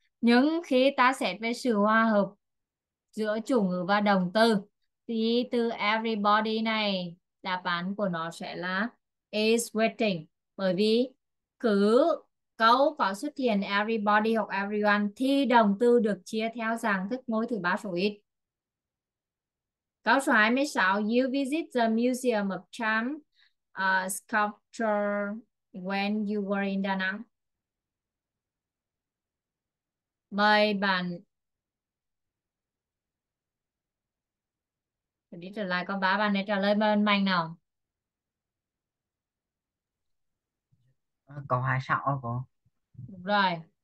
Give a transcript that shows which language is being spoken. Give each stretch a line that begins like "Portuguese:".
Vietnamese: Nhưng khi ta xét về sự hòa hợp giữa chủ ngữ và động từ thì từ everybody này đáp án của nó sẽ là is waiting, bởi vì cứ câu có xuất hiện everybody hoặc everyone thì động từ được chia theo dạng thức ngôi thứ ba số ít. Câu số 26,
English: you visit the Museum of Charm Sculpture when you were in Da Nẵng.
Vietnamese: Mời bạn đi trở lại con bá, bạn này trả lời bên mình nào. Câu 26 có. Đúng rồi.